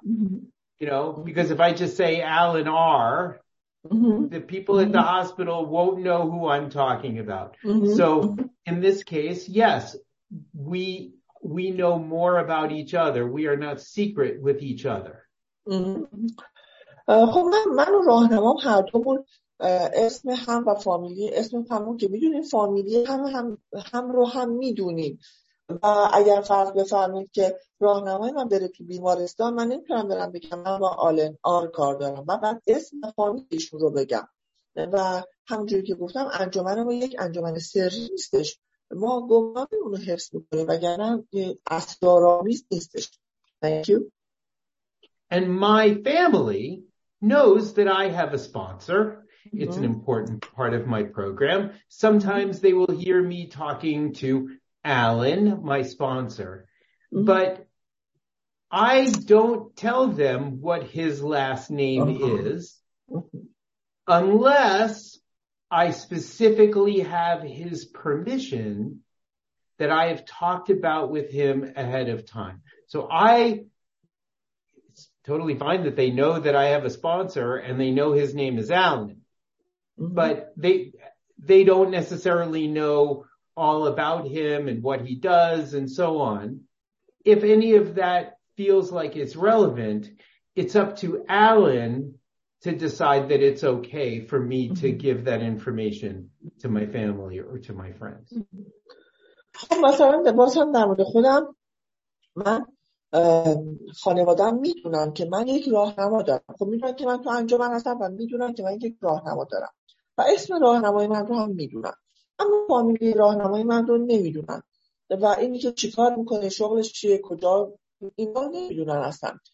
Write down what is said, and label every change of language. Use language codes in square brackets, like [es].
[en] Mm-hmm. You know, because if I just say Alan R, the people at the hospital won't know who I'm talking about. So in this case, yes, we know more about each other. We are not secret with each other. [fa] خب من و راهنمام هر دومون اسم هم و فامیلی اسم همون که میدونیم، فامیلی هم رو هم میدونیم. و اگر فرض بفرمایید که راهنمای من بره تو بیمارستان، من نمیتونم برم بگم من با آلن آر کار دارم، من بعد اسم فامیلیشون رو بگم. و همونجوری که گفتم انجمن ما یک انجمن سری نیستش، ما گمنامی اونو حفظ میکنیم وگرنه اسرارآمیز نیستش. [en] Thank you. And my family knows that I have a sponsor. It's an important part of my program. Sometimes they will hear me talking to Alan, my sponsor, but I don't tell them what his last name is unless I specifically have his permission that I have talked about with him ahead of time. So it's totally fine that they know that I have a sponsor and they know his name is Alan, but they don't necessarily know all about him and what he does and so on. If any of that feels like it's relevant, it's up to Alan to decide that it's okay for me to give that information to my family or to my friends. [fa] مثلا بازم در مورد خودم، من خانواده‌ام میدونن که من یک راهنما دارم. خب میدونن که من تو انجمن هستم و میدونن که من یک راهنما دارم و اسم راهنمای من رو هم میدونن، اما فامیلی راهنمای من رو نمیدونن و اینی که چیکار میکنه، شغلش چیه، کجا، اینا نمیدونن اصلا.